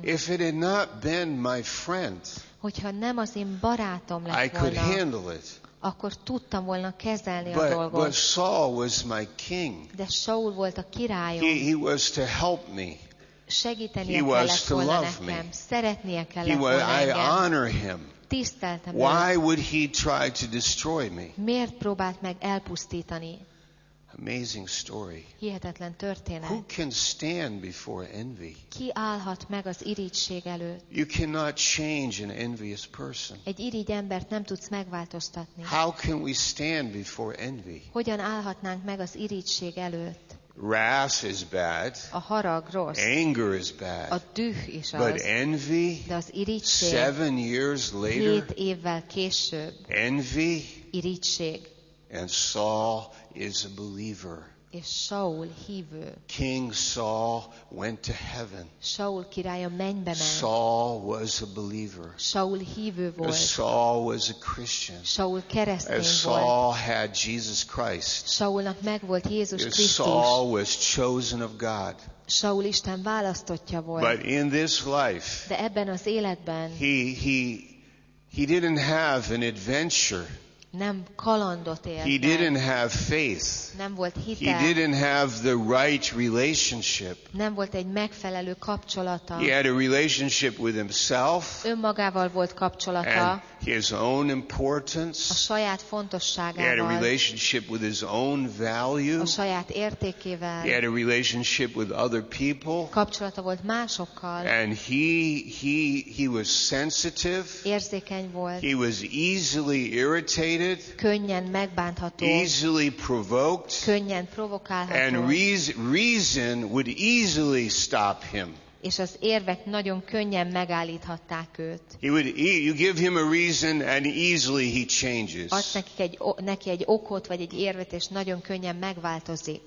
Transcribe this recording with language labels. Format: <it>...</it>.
<en>If it had not been my friend.</en> <hu>Hogyha nem az én barátom lett volna.</hu> <en>I could handle it.</en> <hu>Akkor tudtam volna kezelni</hu> <en>but,</en> <hu>a dolgot.</hu> <en>But Saul was my king.</en> <hu>De Saul volt a királyom.</hu> <en>He was to help me.</en> <hu>Segítenie</hu> <en>he was to love</en> <hu>nekem.</hu> <en>Me.</en> <hu>Szeretnie kellett</hu> <en>was,</en> <hu>volna</hu> <en>I</en> <hu>engem.</hu> <en>Honor him.</en> <hu>Tiszteltem</hu> <en>why</en> <hu>őt.</hu> <en>Would he try to destroy me?</en> <hu>Miért próbált meg elpusztítani?</hu> <en>Amazing story.</en> <hu>Hihetetlen történet.</hu> <en>Who can stand before envy?</en> <hu>Ki állhat meg az irigység előtt?</hu> <en>You cannot change an envious person.</en> <hu>Egy irigy embert nem tudsz megváltoztatni.</hu> <en>How can we stand before envy?</en> <hu>Hogyan állhatnánk meg az irigység előtt?</hu> <en>Wrath is bad.</en> <hu>A harag rossz.</hu> <en>Anger is bad.</en> <hu>A düh is az.</hu> <en>But envy.</en> <hu>De az irigység.</hu> <en>7 years later.</en> <hu>7 évvel később.</hu> <en>Envy.</en> <hu>Irigység.</hu> <en>And Saul is a believer.</en> <hu>És Saul hívő.</hu> <en>King Saul went to heaven.</en> <hu>Saul királya mennybe ment.</hu> <en>Saul was a believer.</en> <hu>Saul hívő volt.</hu> <en>And Saul was a Christian.</en> <hu>Saul keresztény</hu> <en>and</en> <hu>volt.</hu> <en>Saul had Jesus Christ.</en> <hu>Saulnak megvolt Jézus</hu> <en>and</en> <hu>Krisztus.</hu> <en>Saul was chosen of God.</en> <hu>Saul Isten választottja volt.</hu> <en>But in this life,</en> <hu>de ebben az életben,</hu> <en>he didn't have an adventure.</en> <hu>Nem kalandot élt.</hu> <en>He didn't have faith.</en> <hu>Nem volt hite.</hu> <en>He didn't have the right relationship.</en> <hu>Nem volt egy megfelelő kapcsolata.</hu> <en>He had a relationship with himself.</en> <hu>Önmagával volt kapcsolata.</hu> <en>And his own importance.</en> <hu>A saját fontosságával.</hu> <en>He had a relationship with his own value.</en> <hu>A saját értékével.</hu> <en>He had a relationship with other people.</en> <hu>Kapcsolata volt másokkal.</hu> <en>And he was sensitive.</en> <hu>Érzékeny volt.</hu> <en>He was easily irritated.</en> <hu>Könnyen megbántható.</hu> <en>Easily provoked.</en> <hu>Könnyen provokálható.</hu> <en>And reason would easily stop him.</en> <hu>És az érvek nagyon könnyen megállíthatták őt.</hu> <en>You give him a reason and easily he changes.</en> <hu>Adj neki egy okot vagy egy érvet és nagyon könnyen megváltozik.</hu>